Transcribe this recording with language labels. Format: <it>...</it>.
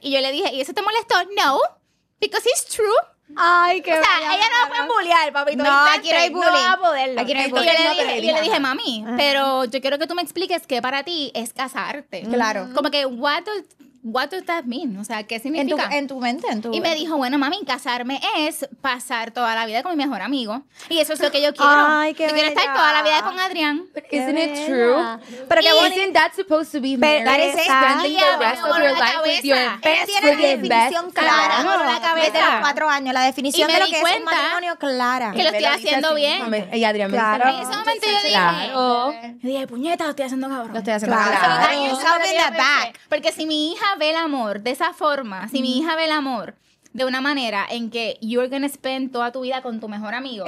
<es>Y yo le dije, ¿y eso te molestó?</es> <en>No, because it's true.</en> <es>Ay, qué bueno. O sea, ella no va a poder bullear, papito. No, aquí no hay bullying. No va a poderlo. Aquí no hay bullying. Y yo le dije, mami, ajá, pero yo quiero que tú me expliques qué para ti es casarte. Claro. Como que,</es> <en>What does that mean?</en> <es>O sea, ¿qué significa? En tu mente, en tu... Y me dijo, bueno, mami, casarme es pasar toda la vida con mi mejor amigo. Y eso es lo que yo quiero. Ay, qué yo quiero bella. Estar toda la vida con Adrián.</es> <en>Isn't it true?</en> <es>Pero que</es> <en>isn't that supposed to be marriage? That is spending the rest of your life with your best friend.</en> <es>Tiene la definición clara. Me voló la cabeza. Desde los 4 años. La definición de lo que es un matrimonio clara. Que lo estoy haciendo bien. Y Adrián me dijo, en ese momento yo dije... Claro. Yo dije, puñeta, lo estoy haciendo cabrón. Lo estoy haciendo cabrón. Claro.</es> <en>Yourself in the back.</en> <es>Porque si mi hija ve el amor de esa forma, si mi hija ve el amor de una manera en que</es> <en>you're gonna spend</en> <es>toda tu vida con tu mejor amigo,</es>